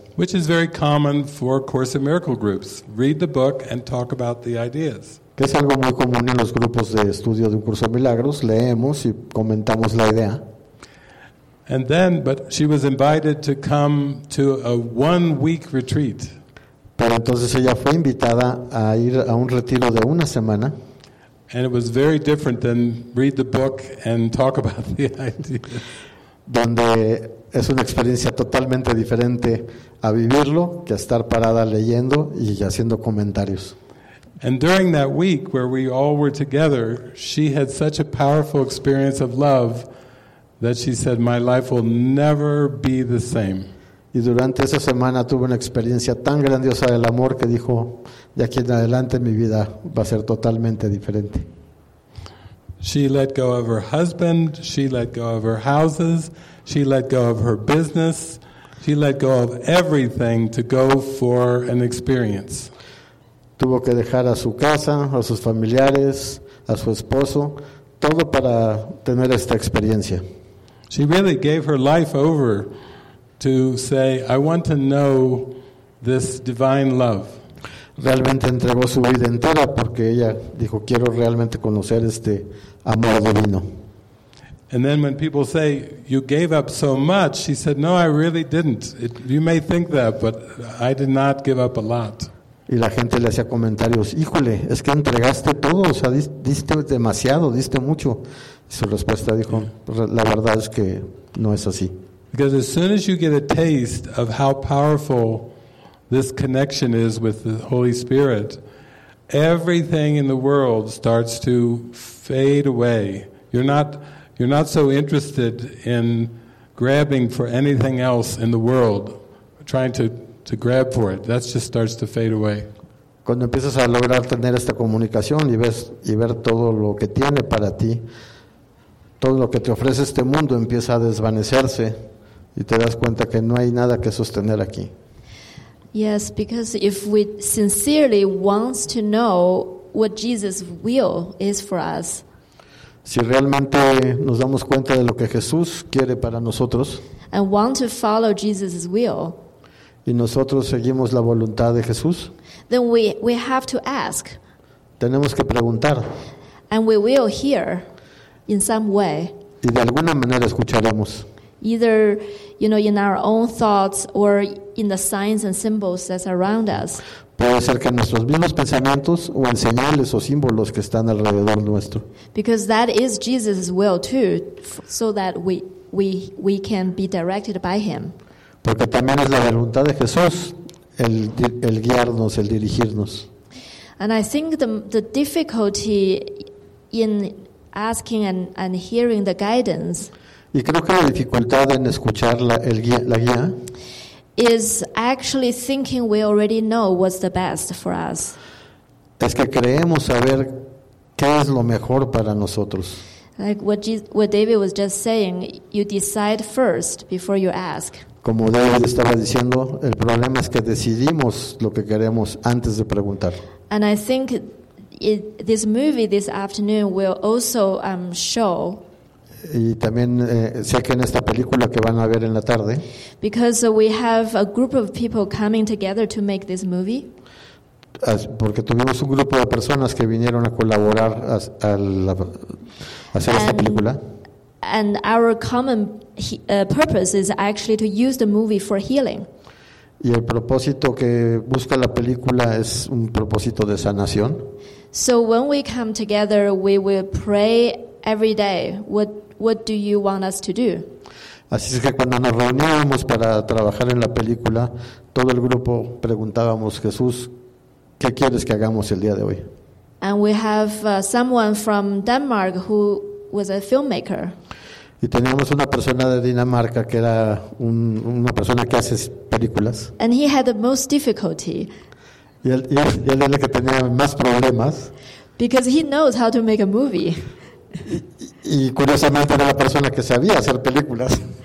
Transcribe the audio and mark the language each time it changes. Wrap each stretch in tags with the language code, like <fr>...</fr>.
<en>Which is very common for Course in Miracles groups. Read the book and talk about the ideas.</en> <es>Que es algo muy común en los grupos de estudio de un curso de milagros. Leemos y comentamos la idea.</es> <en>And then, but she was invited to come to a one-week retreat.</en> <es>Pero entonces ella fue invitada a ir a un retiro de una semana.</es> <en>And it was very different than read the book and talk about the idea.</en> <es>Donde es una experiencia totalmente diferente a vivirlo que a estar parada leyendo y haciendo comentarios.</es> <en>And during that week where we all were together, she had such a powerful experience of love that she said, my life will never be the same.</en> <es>Y durante esa semana tuvo una experiencia tan grandiosa del amor que dijo, de aquí en adelante mi vida va a ser totalmente diferente.</es> <en>She let go of her husband, she let go of her houses, she let go of her business, she let go of everything to go for an experience.</en> <es>Tuvo que dejar a su casa, a sus familiares, a su esposo, todo para tener esta experiencia.</es> <en>She really gave her life over to say, I want to know this divine love.</en> <es>Realmente entregó su vida entera porque ella dijo, quiero realmente conocer este amor divino.</es> <en>And then when people say, you gave up so much, she said, no, I really didn't. You may think that, but I did not give up a lot.</en> <es>Y la gente le hacía comentarios, híjole, es que entregaste todo, o sea, diste demasiado, diste mucho. Y su respuesta dijo, la verdad es que no es así.</es> <en>Because as soon as you get a taste of how powerful this connection is with the Holy Spirit, everything in the world starts to fade away. You're not so interested in grabbing for anything else in the world, trying to grab for it. That just starts to fade away.</en> <es>Cuando empiezas a lograr tener esta comunicación y ver todo lo que tiene para ti, todo lo que te ofrece este mundo empieza a desvanecerse y te das cuenta que no hay nada que sostener aquí.</es> <en>Yes, because if we sincerely want to know what Jesus' will is for us,</en> <es>si realmente nos damos cuenta de lo que Jesús quiere para nosotros,</es> <en>and want to follow Jesus' will,</en> <es>y nosotros seguimos la voluntad de Jesús,</es> <en>then we have to ask.</en> <es>Tenemos que preguntar.</es> <en>And we will hear in some way.</en> <es>Y de alguna manera escucharemos.</es> <en>Either, you know, in our own thoughts or in the signs and symbols that's around us.</en> <es>Puede ser que nuestros mismos pensamientos o en señales o símbolos que están alrededor nuestro.</es> <en>Because that is Jesus' will too, so that we can be directed by him.</en> <es>Porque también es la voluntad de Jesús el guiarnos, el dirigirnos.</es> <en>And I think the difficulty in asking and hearing the guidance,</en> <es>y creo que la dificultad en escuchar la guía</es> <en>is actually thinking we already know what's the best for us.</en> <es>Es que creemos saber qué es lo mejor para nosotros.</es> <en>Like what David was just saying, you decide first before you ask.</en> <es>Como David estaba diciendo, el problema es que decidimos lo que queremos antes de preguntar.</es> <en>And I think this movie this afternoon will also show.</en> <es>Y también sé que en esta película que van a ver en la tarde.</es> <en>Because we have a group of people coming together to make this movie.</en> <es>Porque tuvimos un grupo de personas que vinieron a colaborar a hacer esta película.</es> <en>And our common purpose is actually to use the movie for healing.</en> <es>Y el propósito que busca la película es un propósito de sanación.</es> <en>So when we come together, we will pray every day. What do you want us to do?</en> <es>Así es que cuando nos reuníamos para trabajar en la película, todo el grupo preguntábamos, Jesús, ¿qué quieres que hagamos el día de hoy?</es> <en>And we have someone from Denmark who was a filmmaker.</en> <es>Y teníamos una persona de Dinamarca que era una persona que hace películas.</es> <en>And he had the most difficulty.</en> <es>Y él era el que tenía más problemas.</es> <en>Because he knows how to make a movie.</en> <es>Y curiosamente era la persona que sabía hacer películas.</es>